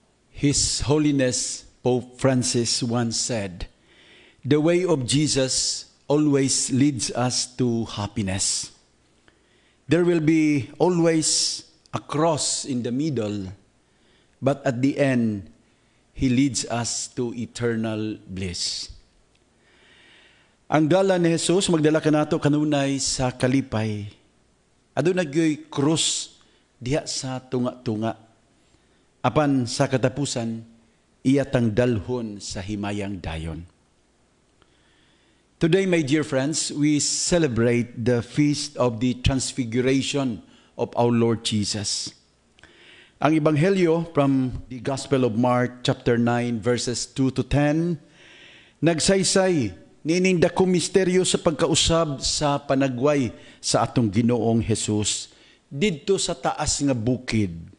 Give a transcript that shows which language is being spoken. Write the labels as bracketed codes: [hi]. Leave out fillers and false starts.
[en] His Holiness Pope Francis once said, "The way of Jesus always leads us to happiness. There will be always a cross in the middle, but at the end, He leads us to eternal bliss." [ceb] Ang dala ni Jesus, magdala ka nato kanunay sa kalipay. Adunay gyoy cross diha sa tunga-tunga. Apan sa katapusan, iya tang dalhon sa himayang dayon. [en] Today, my dear friends, we celebrate the feast of the Transfiguration of our Lord Jesus. [ceb] Ang Ebanghelyo [en] from the Gospel of Mark chapter 9 verses 2 to 10 [ceb] nagsaysay nining dako misteryo sa pagkausab sa panagway sa atong Ginoong Jesus didto sa taas nga bukid.